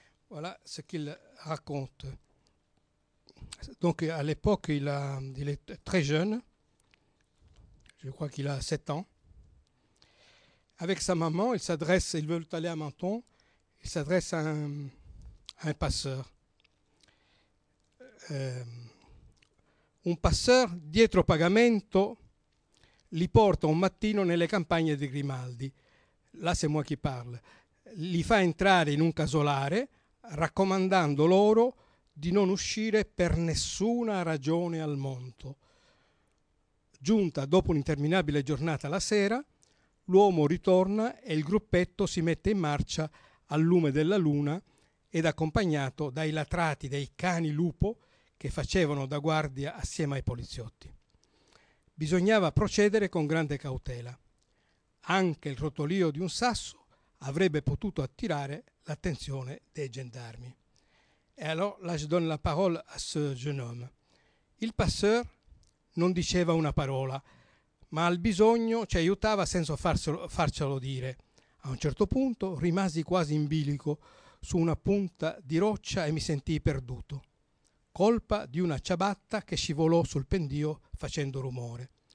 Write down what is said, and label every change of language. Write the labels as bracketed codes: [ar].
[fr] Voilà ce qu'il raconte. Donc, à l'époque, il est très jeune. Je crois qu'il a 7 ans. Avec sa maman, ils veulent aller à Menton. Il s'adresse à un passeur. [it] Un passeur, dietro pagamento, li porta un mattino nelle campagne di Grimaldi. [fr] Là, c'est moi qui parle. [it] Li fa entrare in un casolare, raccomandando loro di non uscire per nessuna ragione al mondo. Giunta dopo un'interminabile giornata la sera, l'uomo ritorna e il gruppetto si mette in marcia al lume della luna ed accompagnato dai latrati dei cani lupo che facevano da guardia assieme ai poliziotti. Bisognava procedere con grande cautela. Anche il rotolio di un sasso avrebbe potuto attirare l'attenzione dei gendarmi. [fr] Et alors là, je donne la parole à ce jeune homme. [it] Il passeur non diceva una parola, ma al bisogno ci aiutava senza farcelo dire. A un certo punto rimasi quasi in bilico su una punta di roccia e mi sentii perduto. Colpa di una ciabatta che scivolò sul pendio facendo rumore.